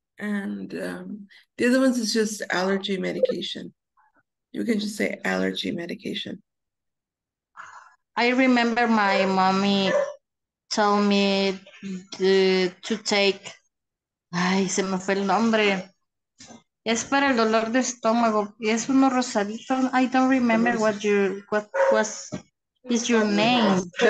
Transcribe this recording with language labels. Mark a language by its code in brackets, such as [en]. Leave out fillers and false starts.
[en] And the other ones is just allergy medication. You can just say allergy medication. I remember my mommy told me to take, [es] ay, se me fue el nombre. Es para el dolor de estómago. Es uno rosadito. [en] I don't remember what your, what was, is your name.